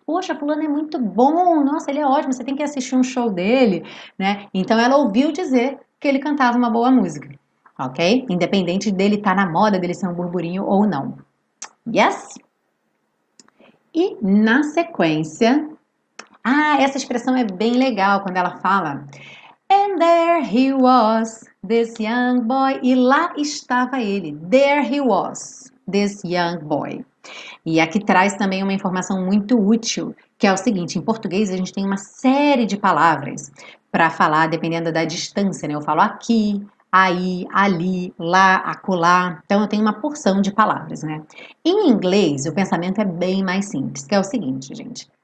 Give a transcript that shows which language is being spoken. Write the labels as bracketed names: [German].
[Portuguese] Poxa, fulano é muito bom, nossa, ele é ótimo, você tem que assistir um show dele, né? Então ela ouviu dizer que ele cantava uma boa música. Ok? Independente dele estar na moda, dele ser um burburinho ou não. Yes? E na sequência... Ah, essa expressão é bem legal quando ela fala... [English] And there he was, this young boy. [Portuguese] E lá estava ele. [English] There he was, this young boy. [Portuguese] E aqui traz também uma informação muito útil, que é o seguinte, em português a gente tem uma série de palavras para falar, dependendo da distância, né? Eu falo aqui... Aí, ali, lá, acolá. Então, eu tenho uma porção de palavras, né? Em inglês, o pensamento é bem mais simples, que é o seguinte, gente.